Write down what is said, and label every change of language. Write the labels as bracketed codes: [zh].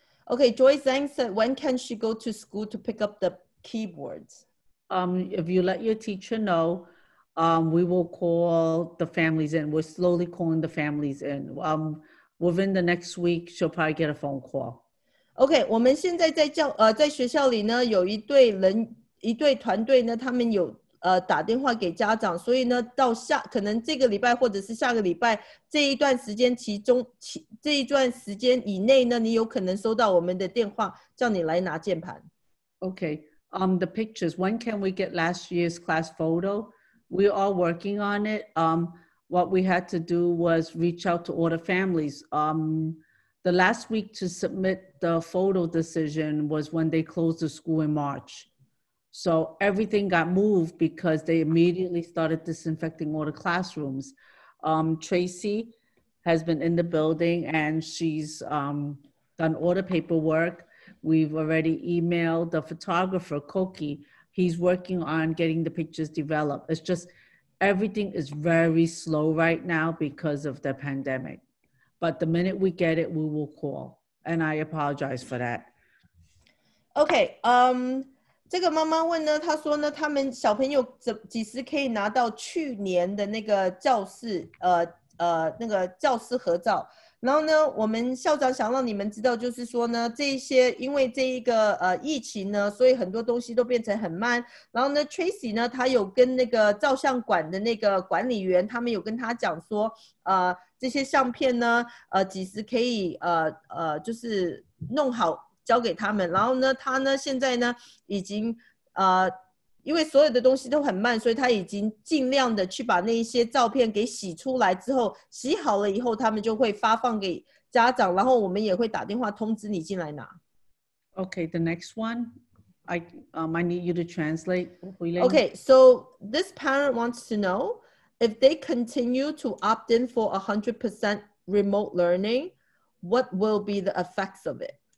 [en] Okay, Joyce Zhang said, when can she go to school to pick up the keyboards? If you let your teacher know, we will call the families in. We're slowly calling the families in. Within the next week, she'll probably get a phone call. [zh] Okay, 我们现在在学校里呢，有一对团队呢，他们有 打电话给家长，所以呢，到下可能这个礼拜或者是下个礼拜这一段时间以内呢，你有可能收到我们的电话，叫你来拿键盘。Okay, [en] the pictures. When can we get last year's class photo? We are working on it. What we had to do was reach out to all the families. The last week to submit the photo decision was when they closed the school in March. So everything got moved because they immediately started disinfecting all the classrooms. Tracy has been in the building and she's done all the paperwork. We've already emailed the photographer, Koki. He's working on getting the pictures developed. It's just everything is very slow right now because of the pandemic. But the minute we get it, we will call. And I apologize for that. Okay. [zh] 这个妈妈问呢，她说呢，他们小朋友几时可以拿到去年的那个教室，那个教室合照？然后呢，我们校长想让你们知道，就是说呢，这些因为这一个疫情呢，所以很多东西都变成很慢。然后呢 ，Tracy 呢，他有跟那个照相馆的那个管理员，他们有跟他讲说，这些相片呢，几时可以就是弄好交给他们。然后呢，他呢现在呢已经因为所有的东西都很慢，所以他已经尽量的去把那些照片给洗出来之后，洗好了以后他们就会发放给家长，然后我们也会打电话通知你进来拿。 [en] Okay, the next one I need you to translate. Okay, so this parent wants to know if they continue to opt in for 100% remote learning, what will be the effects of it?